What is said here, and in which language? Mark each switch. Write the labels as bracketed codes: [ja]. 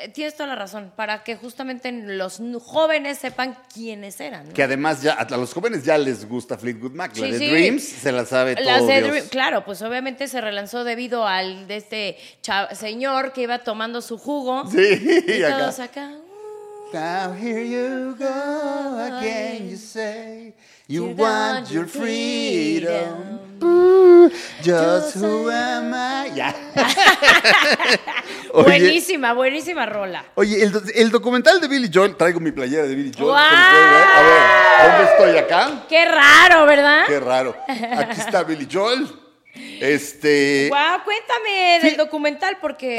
[es] Tienes toda la razón. Para que justamente los jóvenes sepan quiénes eran, ¿no? Que además ya a los jóvenes ya les gusta Fleetwood Mac. Sí, la de sí. Dreams se la sabe la todo de Dios. Claro, pues obviamente se relanzó debido al de este señor que iba tomando su jugo. Sí, y acá. Todos acá. [en] Now here you go again, you say you want your freedom. Just who am I? Ya. [es] Oye, buenísima, buenísima rola. Oye, el documental de Billy Joel, traigo mi playera de Billy Joel. ¡Wow! Se los puedo ver. A ver, ¿dónde estoy acá? Qué raro, ¿verdad? Qué raro. Aquí está Billy Joel. Wow, cuéntame del documental, porque...